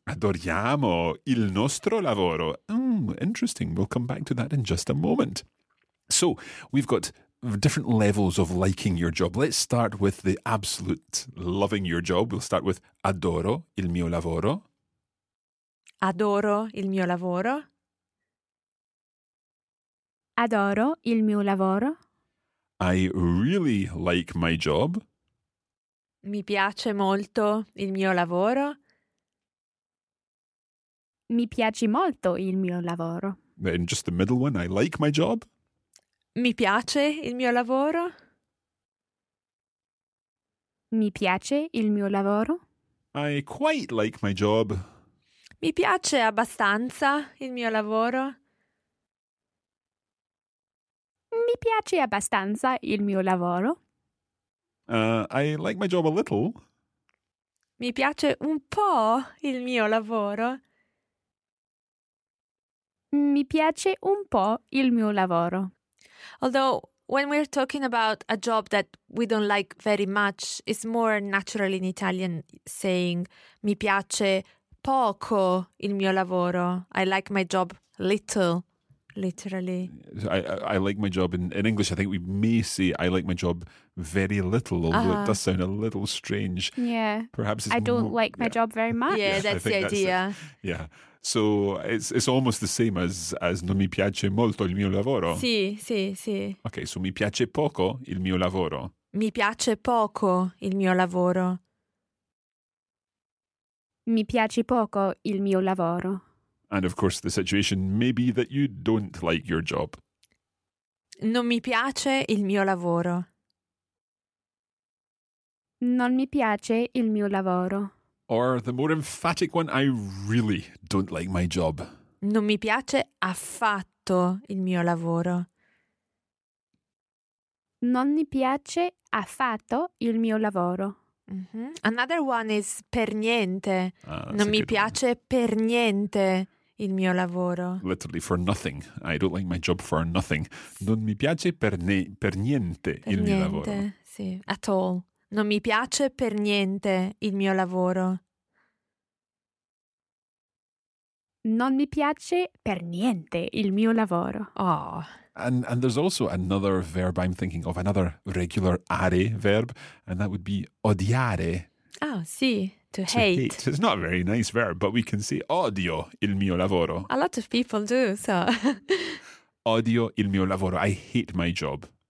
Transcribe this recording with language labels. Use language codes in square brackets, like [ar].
[it] Adoriamo il nostro lavoro. [en] Interesting. We'll come back to that in just a moment. So, we've got different levels of liking your job. Let's start with the absolute loving your job. We'll start with [it] adoro il mio lavoro. Adoro il mio lavoro. Adoro il mio lavoro. [en] I really like my job. [it] Mi piace molto il mio lavoro. Mi piace molto il mio lavoro. [en] Then just the middle one, I like my job. [it] Mi piace il mio lavoro. Mi piace il mio lavoro. [en] I quite like my job. [it] Mi piace abbastanza il mio lavoro. Mi piace abbastanza il mio lavoro. [en] I like my job a little. [it] Mi piace un po' il mio lavoro. Mi piace un po' il mio lavoro. [en] Although, when we're talking about a job that we don't like very much, it's more natural in Italian saying [it] mi piace poco il mio lavoro. [en] I like my job little, literally. I like my job in English. I think we may say I like my job very little, although it does sound a little strange. Yeah. Perhaps it's I don't like my job very much. Yeah, that's the idea. Yeah. So it's almost the same as [it] non mi piace molto il mio lavoro. Sì, sì, sì. Okay, so mi piace poco il mio lavoro. Mi piace poco il mio lavoro. Mi piace poco il mio lavoro. [en] And of course the situation may be that you don't like your job. [it] Non mi piace il mio lavoro. Non mi piace il mio lavoro. [en] Or the more emphatic one, I really don't like my job. [it] Non mi piace affatto il mio lavoro. Non mi piace affatto il mio lavoro. Mm-hmm. [en] Another one is [it] per niente. Non mi piace per niente il mio lavoro. [en] Literally for nothing. I don't like my job for nothing. [it] Non mi piace per niente il mio lavoro. [en] Sì, at all. [it] Non mi piace per niente il mio lavoro. Non mi piace per niente il mio lavoro. Oh. [en] And there's also another verb I'm thinking of, another regular are verb, and that would be odiare. Oh, sì, to hate. It's not a very nice verb, but we can say [it] odio il mio lavoro. [en] A lot of people do, so. [it] Odio il mio lavoro. [en] I hate my job.